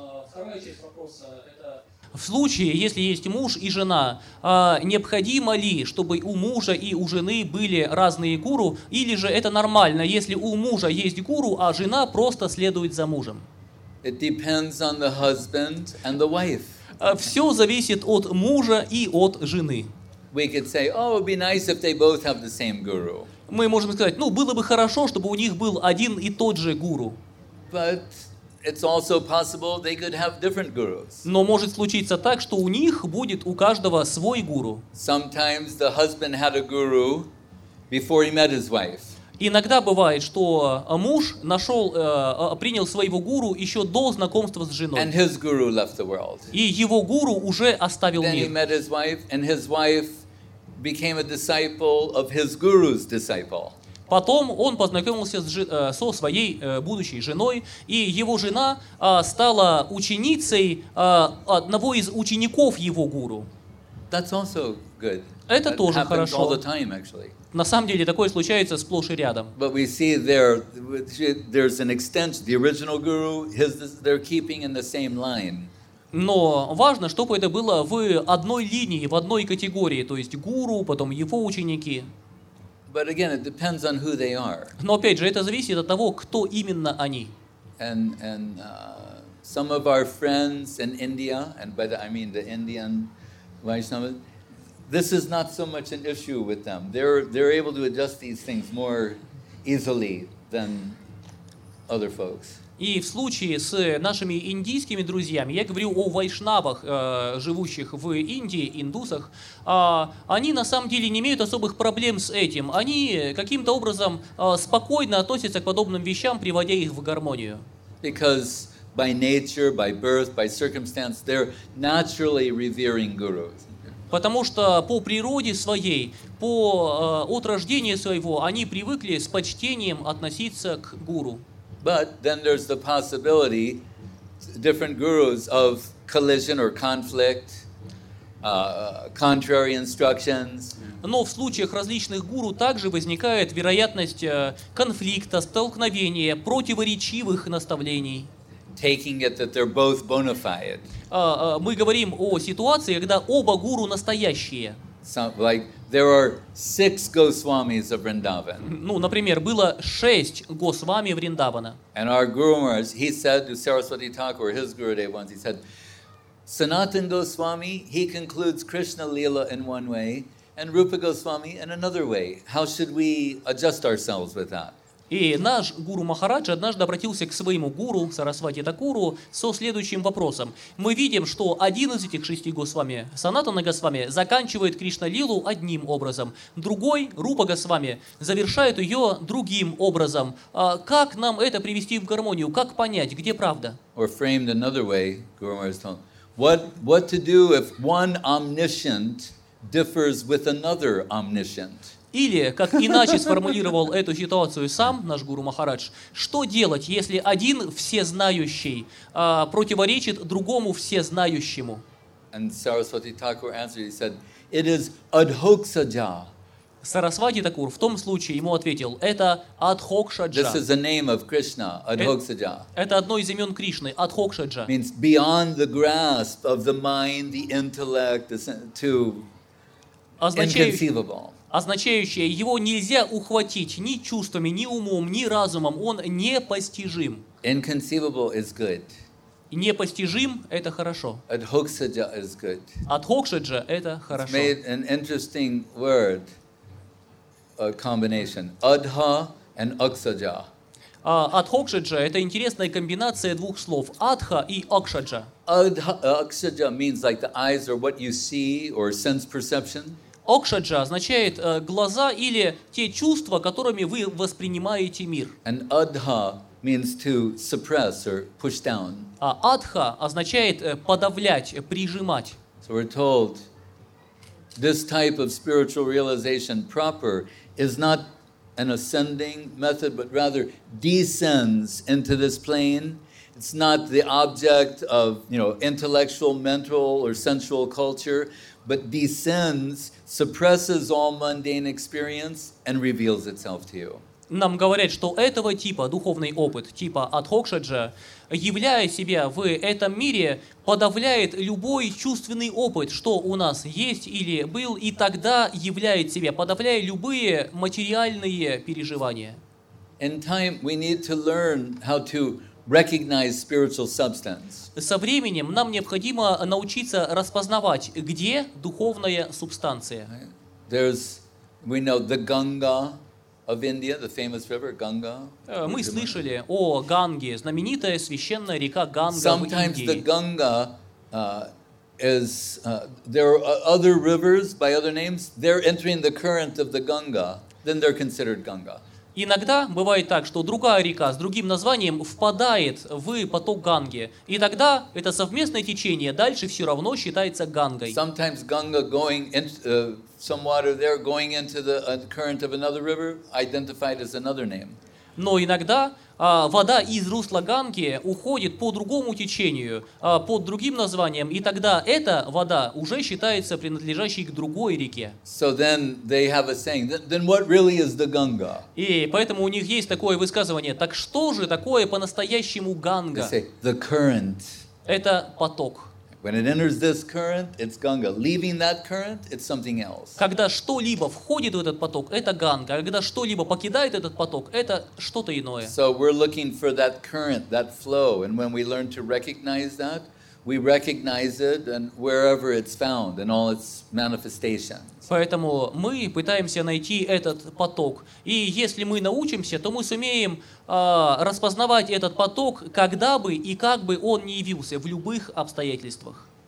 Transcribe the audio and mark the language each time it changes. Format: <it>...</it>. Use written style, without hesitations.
<ru>Вторая часть вопроса — это в случае, если есть муж и жена, необходимо ли, чтобы у мужа и у жены были разные гуру, или же это нормально, если у мужа есть гуру, а жена просто следует за мужем?</ru> <en>It depends on the husband and the wife.</en> <ru>Все зависит от мужа и от жены.</ru> <en>We could say, oh, it would be nice if they both have the same guru.</en> <ru>Мы можем сказать, ну, было бы хорошо, чтобы у них был один и тот же гуру.</ru> <en>But it's also possible they could have different gurus.</en> <ru>Но может случиться так, что у них будет у каждого свой гуру.</ru> <en>Sometimes the husband had a guru before he met his wife.</en> <ru>Иногда бывает, что муж принял своего гуру еще до знакомства с женой.</ru> <en>And his guru left the world.</en> <ru>И его гуру уже оставил</ru> <en>Then</en> <ru>мир.</ru> <en>Then he met his wife, and his wife became a disciple of his guru's disciple.</en> <ru>Потом он познакомился со своей будущей женой, и его жена стала ученицей одного из учеников его гуру.</ru> <en>That's also good.</en> <ru>Это</ru> <en>That</en> <ru>тоже</ru> <en>happens</en> <ru>хорошо.</ru> <en>All the time, actually.</en> <ru>На самом деле такое случается сплошь и рядом.</ru> <en>But we see there's an extension. The original guru, they're keeping in the same line.</en> <ru>Но важно, чтобы это было в одной линии, в одной категории, то есть гуру, потом его ученики.</ru> <en>But again, it depends on who they are.</en> <ru>Но опять же, это зависит от того, кто именно они.</ru> <en>And some of our friends in India, and by that I mean the Indian Vaishnavas, this is not so much an issue with them. They're able to adjust these things more easily than other folks.</en> <ru>И в случае с нашими индийскими друзьями, я говорю о вайшнавах, живущих в Индии, индусах, они на самом деле не имеют особых проблем с этим. Они каким-то образом спокойно относятся к подобным вещам, приводя их в гармонию.</ru> <en>Because by nature, by birth, by circumstance, they're naturally revering gurus.</en> <ru>Потому что по природе своей, от рождения своего, они привыкли с почтением относиться к гуру.</ru> <en>But then there's the possibility, different gurus, of collision or conflict, contrary instructions.</en> <ru>Но в случаях различных гуру также возникает вероятность конфликта, столкновения, противоречивых наставлений.</ru> <en>Taking it that they're both bona fide.</en> <ru>Мы говорим о ситуации, когда оба гуру настоящие.</ru> <en>Like there are six Goswamis of Vrindavan.</en> <ru>Ну, например, было шесть Госвами Вриндавана.</ru> <en>And our Guru Maharaj, he said to Saraswati Thakur, his Gurudev once, he said, Sanatan Goswami, he concludes Krishna Lila in one way, and Rupa Goswami in another way. How should we adjust ourselves with that?</en> <ru>И наш гуру Махарадж однажды обратился к своему гуру Сарасвати Такуру со следующим вопросом. Мы видим, что один из этих шести Госвами, Санатана Госвами, заканчивает Кришналилу одним образом. Другой, Рупа Госвами, завершает ее другим образом. Как нам это привести в гармонию? Как понять, где правда?</ru> <en>Or framed another way, Guru Maharaj told, what to do if one omniscient differs with another omniscient?</en> <ru>Или, как иначе сформулировал эту ситуацию сам наш гуру Махарадж, что делать, если один всезнающий противоречит другому всезнающему?</ru> <en>And Saraswati Thakur answered, he said, it is adhokshaja.</en> <ru>Сарасвати Такур в том случае ему ответил, это адхокшаджа.</ru> <en>This is the name of Krishna, адхокшаджа.</en> <ru>Это одно из имен Кришны, адхокшаджа.</ru> <en>Means beyond the grasp of the mind, the intellect, to inconceivable.</en> <ru>Означающее, его нельзя ухватить ни чувствами, ни умом, ни разумом. Он непостижим.</ru> <en>Inconceivable is good.</en> <ru>Непостижим – это хорошо.</ru> <en>Адхокшаджа – is good.</en> <ru>Адхокшаджа – это хорошо.</ru> <en>It's made an interesting word, a combination. Адха and Акшаджа.</en> <ru>Адхокшаджа – это интересная комбинация двух слов. Адха и Акшаджа.</ru> <en>Акшаджа means like the eyes or what you see or sense perception.</en> <ru>Окшаджа означает глаза или те чувства, которыми вы воспринимаете мир.</ru> <en>And адха means to suppress or push down.</en> <ru>А адха означает подавлять, прижимать.</ru> <en>So we're told this type of spiritual realization proper is not an ascending method, but rather descends into this plane. It's not the object of, you know, intellectual, mental, or sensual culture, but descends, suppresses all mundane experience, and reveals itself to you.</en> <ru>Нам говорят, что этого типа духовный опыт, типа адхокшаджа, являя себя в этом мире, подавляет любой чувственный опыт, что у нас есть или был, и тогда являет себя, подавляя любые материальные переживания.</ru> <en>In time, we need to learn how to recognize spiritual substance.</en> <ru>Со временем нам необходимо научиться распознавать, где духовная субстанция.</ru> <en>There's, we know the Ganga of India, the famous river Ganga.</en> <ru>Мы слышали о Ганге, знаменитая священная река Ганга.</ru> <en>Sometimes the Ganga is there are other rivers by other names. They're entering the current of the Ganga, then they're considered Ganga.</en> <ru>Иногда бывает так, что другая река с другим названием впадает в поток Ганги. И тогда это совместное течение дальше все равно считается Гангой.</ru> <en>Sometimes Ganga going some water there going into the current of another river identified as another name.</en> <ru>Но иногда вода из русла Ганги уходит по другому течению, под другим названием, и тогда эта вода уже считается принадлежащей к другой реке.</ru> <en>So then they have a saying, then what really is the Ganga?</en> <ru>И поэтому у них есть такое высказывание, так что же такое по-настоящему Ганга?</ru> <en>They say, the current.</en> <ru>Это поток.</ru> <en>When it enters this current, it's Ganga. Leaving that current, it's something else.</en> <ru>Когда что-либо входит в этот поток, это Ганга. Когда что-либо покидает этот поток, это что-то иное.</ru> <en>So we're looking for that current, that flow. And when we learn to recognize that, we recognize it and wherever it's found in all its manifestations.</en> <ru>Поэтому мы пытаемся найти этот поток. И если мы научимся, то мы сумеем распознавать этот поток, когда бы и как бы он ни явился, в любых обстоятельствах.</ru>